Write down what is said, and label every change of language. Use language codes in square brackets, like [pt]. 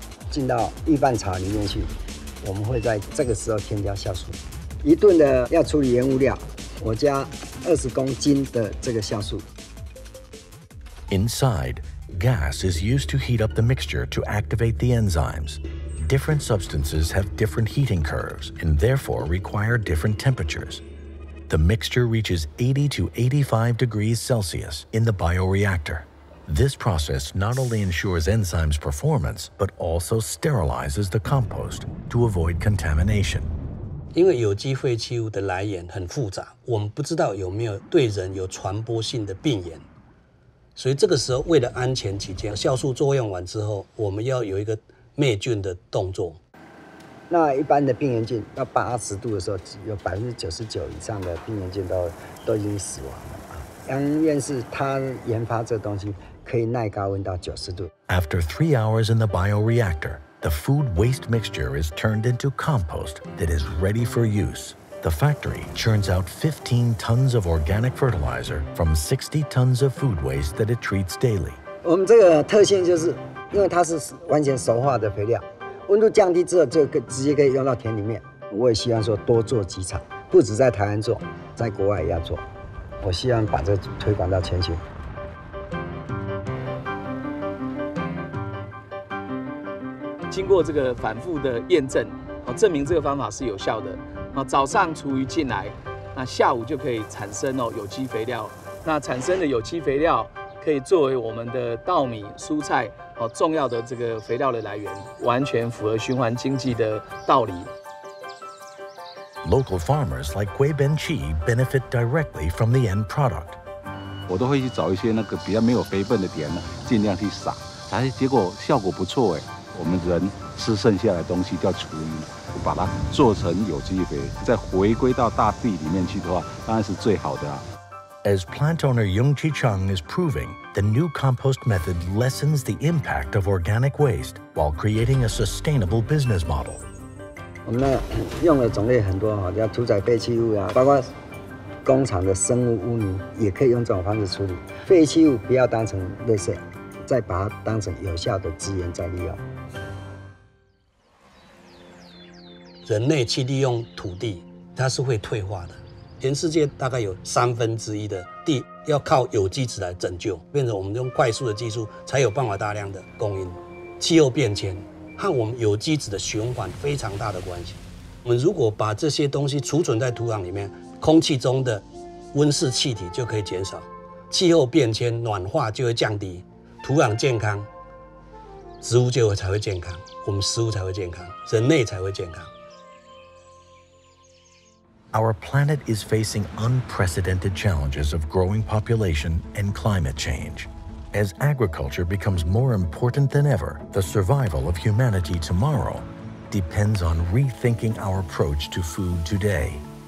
[zh] 进到预拌槽里面去，我们会在这个时候添加酵素。一吨的要处理原物料，我加20公斤的这个酵素。 [en] Inside, gas is used to heat up the mixture to activate the enzymes. Different substances have different heating curves and therefore require different temperatures. The mixture reaches 80 to 85 degrees Celsius in the bioreactor. This process not only ensures enzymes' performance, but also sterilizes the compost to avoid contamination. [zh] 因为有机废弃物的来源很复杂，我们不知道有没有对人有传播性的病原，所以这个时候为了安全起见，酵素作用完之后，我们要有一个灭菌的动作。那一般的病原菌到80度的时候，有99%以上的病原菌都已经死亡了。杨院士他研发这个东西可以耐高温到90度。 [en] After 3 hours in the bioreactor, the food waste mixture is turned into compost that is ready for use. The factory churns out 15 tons of organic fertilizer from 60 tons of food waste that it treats daily. [zh] 我们这个特性就是因为它是完全熟化的肥料，温度降低之后就直接可以用到田里面。我也希望说多做几场，不止在台湾做，在国外也要做。我希望把这推广到全球。经过这个反复的验证，证明这个方法是有效的。早上厨余进来，那下午就可以产生有机肥料。那产生的有机肥料可以作为我们的稻米、蔬菜重要的这个肥料的来源，完全符合循环经济的道理。 [en] Local farmers like Gui Ben Chi benefit directly from the end product. [zh] 我都会去找一些那个比较没有肥分的田呢，尽量去撒，哎，结果效果不错哎。我们人吃剩下的东西叫厨余，把它做成有机肥，再回归到大地里面去的话，当然是最好的啊。 [en] As plant owner Yung Chi Chung is proving, the new compost method lessens the impact of organic waste while creating a sustainable business model. [zh] 我们用的种类很多，像屠宰废弃物啊，包括工厂的生物污泥也可以用这种方式处理。废弃物不要当成垃圾，再把它当成有效的资源再利用。人类去利用土地，它是会退化的。全世界大概有1/3的地要靠有机质来拯救，变成我们用快速的技术才有办法大量的供应。气候变迁和我们有机质的循环非常大的关系。我们如果把这些东西储存在土壤里面，空气中的温室气体就可以减少，气候变迁暖化就会降低，土壤健康，植物就才会健康，我们食物才会健康，人类才会健康。 [en] Our planet is facing unprecedented challenges of growing population and climate change. As agriculture becomes more important than ever, the survival of humanity tomorrow depends on rethinking our approach to food today.